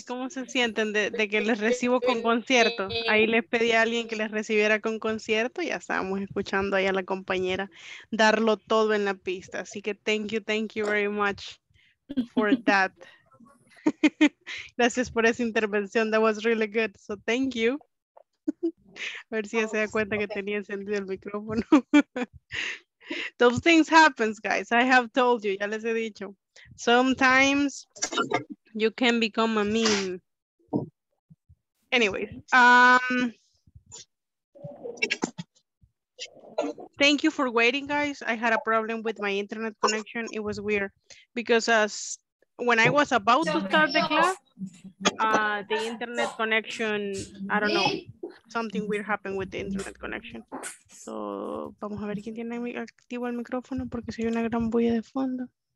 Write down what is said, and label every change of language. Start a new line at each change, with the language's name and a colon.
Spanish: ¿Cómo se sienten de que les recibo con concierto? Ahí les pedí a alguien que les recibiera con concierto. Ya estábamos escuchando ahí a la compañera darlo todo en la pista. Así que
English: thank you very much for that.
Spanish: Gracias por esa intervención.
English: That was really good. So thank you.
Spanish: A ver si ya se da cuenta que tenía encendido el micrófono.
English: Those things happen, guys. I have told you.
Spanish: Ya les he dicho.
English: Sometimes you can become a meme. Anyways, thank you for waiting, guys. I had a problem with my internet connection. It was weird because as when I was about to start the class, the internet connection, I don't know, something weird happened with the internet connection.
Spanish: So, vamos a ver quién tiene activo el micrófono porque soy una gran bulla de fondo.